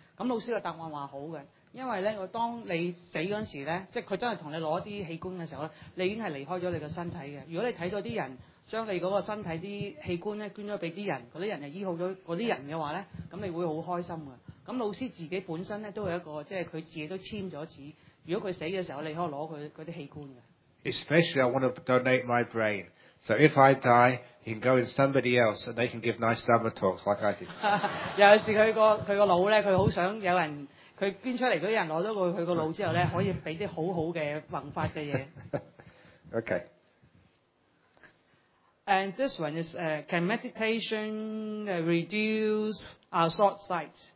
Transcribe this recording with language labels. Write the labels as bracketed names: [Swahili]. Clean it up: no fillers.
[Chinese] 我的問題是問老師，如果我們器官捐贈死的時候好不好，尤其是對於我們最後的念，會對這件事好不好，老師的答案說好的。因為當你死的時候，即是他真的跟你拿一些器官的時候，你已經是離開了你的身體的。如果你看到一些人，將你那個身體的器官捐了給一些人，那些人是醫好了那些人的話，那你會很開心的。那老師自己本身都有一個，即是他自己都簽了紙，如果他死的時候，你可以拿他那些器官的。 [English] Especially I want to donate my brain. So if I die, he can go in somebody else and they can give nice Dharma talks like I did. [Chinese] 尤其是他的腦，他很想有人 他捐出來的人拿到他的腦之後，可以給一些很好的宏法的東西。 [English] Okay. And this one is, can meditation reduce our short sight?